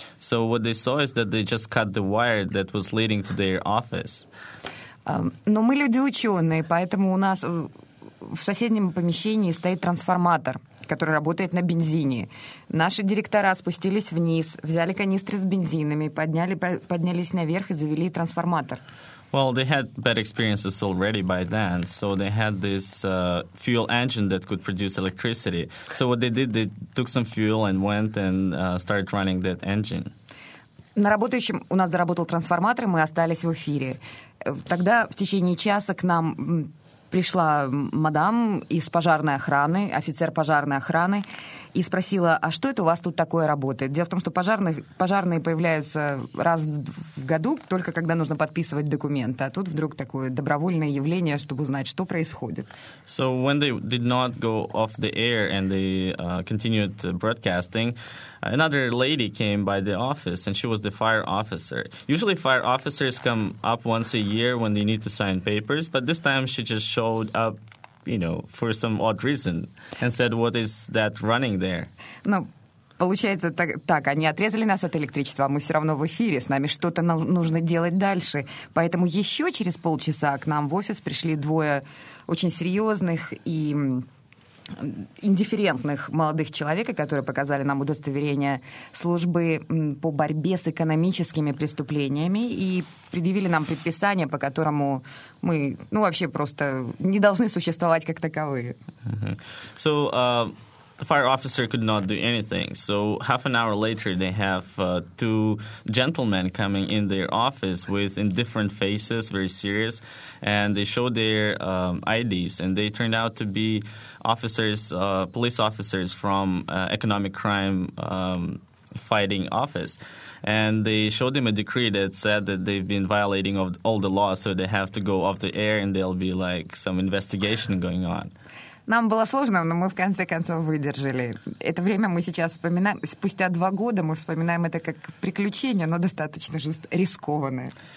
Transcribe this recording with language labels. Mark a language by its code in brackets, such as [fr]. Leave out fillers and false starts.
[en] So what they saw is that they just cut the wire that was leading to their office. [ru] Но мы люди ученые, поэтому у нас в соседнем помещении стоит трансформатор, который работает на бензине. Наши директора спустились вниз, взяли канистры с бензинами, поднялись наверх и завели трансформатор. [en] Well, they had bad experiences already by then, so they had this fuel engine that could produce electricity. So what they did, they took some fuel and went and started running that engine. [ru] На работающем у нас доработал трансформатор, и мы остались в эфире. Тогда в течение часа к нам пришла мадам из пожарной охраны, офицер пожарной охраны, и спросила, а что это у вас тут такое работает? Дело в том, что пожарные появляются раз в году, только когда нужно подписывать документы, а тут вдруг такое добровольное явление, чтобы узнать, что происходит. [en] So when they did not go off the air and they continued broadcasting, another lady came by the office, and she was the fire officer. Usually fire officers come up once a year when they need to sign papers, but this time she just showed up, you know, for some odd reason, and said, what is that running there? [ru] Ну, получается так, они отрезали нас от электричества, а мы все равно в эфире, с нами что-то нужно делать дальше. Поэтому еще через полчаса к нам в офис пришли двое очень серьезных и индифферентных молодых человека, которые показали нам удостоверение службы по борьбе с экономическими преступлениями и предъявили нам предписание, по которому мы, ну, вообще просто не должны существовать как таковые. [en] Mm-hmm. So, the fire officer could not do anything. So, half an hour later, they have two gentlemen coming in their office with indifferent faces, very serious, and they showed their IDs, and they turned out to be officers, police officers from economic crime fighting office. And they showed them a decree that said that they've been violating all the laws, so they have to go off the air, and there'll be, like, some investigation going on. [ru] Нам было сложно, но мы в конце концов выдержали. Это время мы сейчас вспоминаем, спустя два года мы вспоминаем это как приключение, но достаточно рискованное.